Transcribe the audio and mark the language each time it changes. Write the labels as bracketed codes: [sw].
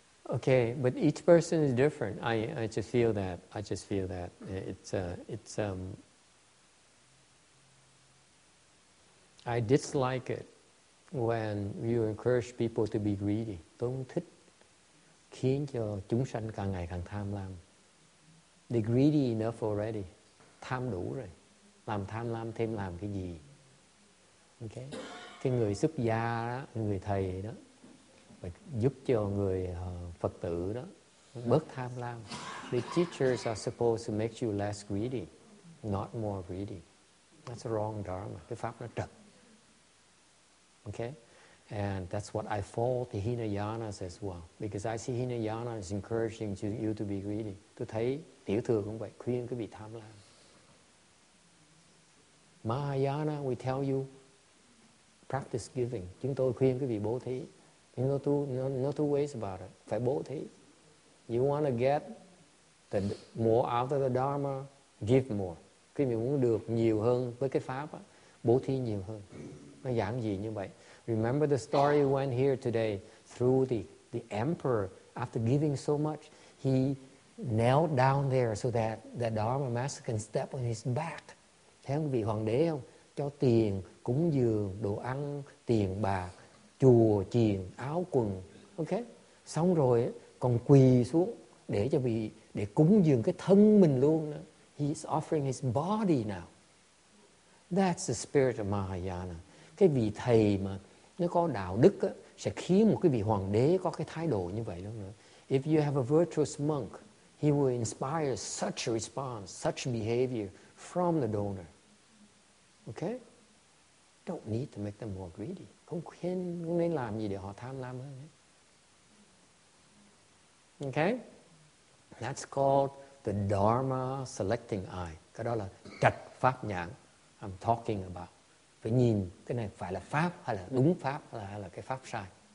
[en] Okay, but each person is different. I just feel that. I just feel that. It's I dislike it when you encourage people to be greedy. [vi] Tôi không thích khiến cho chúng sanh càng ngày càng tham lam. [en] They're greedy enough already. [vi] Tham đủ rồi. Làm tham lam thêm làm cái gì? Okay. Cái người xuất gia đó, người thầy đó, giúp cho người Phật tử đó bớt tham lam. [en] The teachers are supposed to make you less greedy, not more greedy. That's a wrong dharma. [vi] Cái pháp nó trật. [en] Okay? And that's what I fall to Hinayanas as well. Because I see Hinayana is encouraging you to be greedy. [vi] Tôi thấy tiểu thừa cũng vậy, khuyên cái vị tham lam. [en] Mahayana, we tell you, practice giving. [vi] Chúng tôi khuyên cái vị bố thí. [en] No two ways about it. [vi] Phải bố thí. [en] You want to get the more out of the Dharma, give more. [vi] Khi mình muốn được nhiều hơn với cái pháp, bố thí nhiều hơn. Nó giảng gì như vậy? [en] Remember the story we went here today through the emperor, after giving so much, he knelt down there so that the Dharma master can step on his back. [vi] Thấy không, vị hoàng đế không? Cho tiền, cúng dường, đồ ăn, tiền bạc, chùa, chiền, áo quần, ok? Xong rồi còn quỳ xuống để cho vị, để cúng dường cái thân mình luôn. [en] He's offering his body now. That's the spirit of Mahayana. [vi] Cái vị thầy mà nó có đạo đức á, sẽ khiến một cái vị hoàng đế có cái thái độ như vậy đó. [en] If you have a virtuous monk, he will inspire such a response, such behavior from the donor. Ok? Don't need to make them more greedy. [vi] Không nên làm gì để họ tham lam hơn. [en] Okay? That's called the Dharma selecting eye. [vi] Cái đó là trạch pháp nhãn. [en] I'm talking about. [vi] Phải nhìn cái này phải là pháp hay là đúng pháp hay là cái pháp sai.